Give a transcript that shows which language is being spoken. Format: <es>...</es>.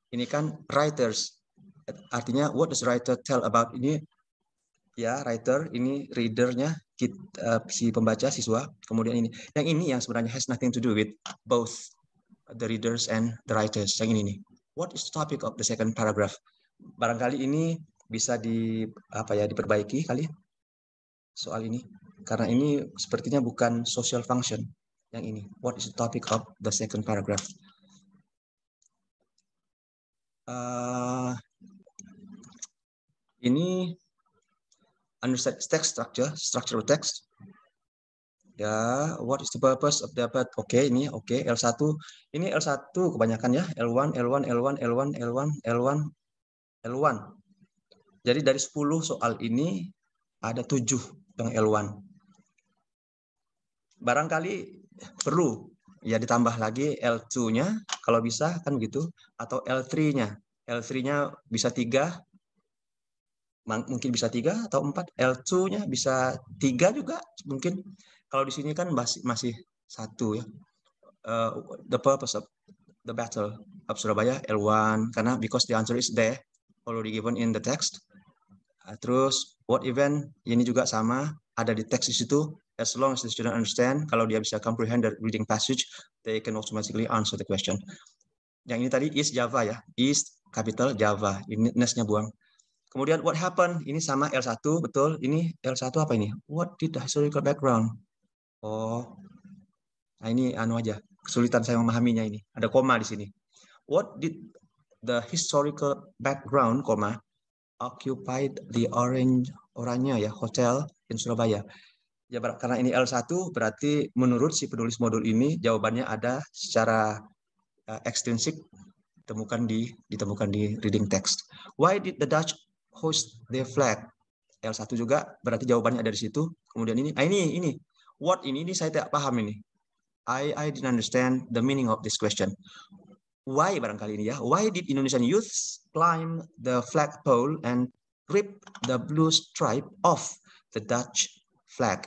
<id>Ini kan</id> <en>writer's,</en> <id>artinya</id> <en>what does writer tell about ini?</en> <id>Ya, writer, ini readernya, si pembaca, siswa. Kemudian ini, yang ini yang sebenarnya</id> <en>has nothing to do with both the readers and the writers.</en> <id>Yang ini nih.</id> <en>What is the topic of the second paragraph?</en> <id>Barangkali ini bisa diperbaiki kali soal ini, karena ini sepertinya bukan social function yang ini.</id> <en>What is the topic of the second paragraph? Ini understand text structure of text. Ya, what is the purpose of the bird?</en> <id>Okay, ini okay. L1, ini L1 kebanyakan ya. L1. Jadi dari 10 soal ini ada 7 yang L1. Barangkali perlu ya ditambah lagi L2-nya kalau bisa kan gitu, atau L3-nya. L3-nya bisa 3. Mungkin bisa 3 atau 4. L2-nya bisa 3 juga mungkin. Kalau di sini kan masih satu ya.</id> <en>The purpose of the battle of Surabaya L1,</en> <id>karena</id> <en>because the answer is there already given in the text.</en> <id>Terus</id> <en>what event,</en> <id>ini juga sama ada di teks di situ.</id> <en>As long as the student understand,</en> <id>kalau dia bisa</id> <en>comprehend the reading passage, they can automatically answer the question.</en> <id>Yang ini tadi East Java ya, East capital Java. Ini nest-nya buang. Kemudian</id> <en>what happened,</en> <id>ini sama L1 betul. Ini L1 apa ini?</id> <en>What did the historical background?</en> <id>Oh, nah ini anu aja kesulitan saya memahaminya ini. Ada koma di sini.</id> <en>What did the historical background, koma, occupied the Oranya ya hotel in Surabaya?</en> <id>Ya karena ini L1 berarti menurut si penulis modul ini jawabannya ada secara ekstrinsik ditemukan di reading text.</id> <en>Why did the Dutch hoist their flag?</en> <id>L1 juga berarti jawabannya ada di situ. Kemudian ini. What ini saya tidak paham ini.</id> <en>I didn't understand the meaning of this question. Why</en> <id>barangkali ini ya?</id> <en>Why did Indonesian youths climb the flagpole and rip the blue stripe off the Dutch flag?</en>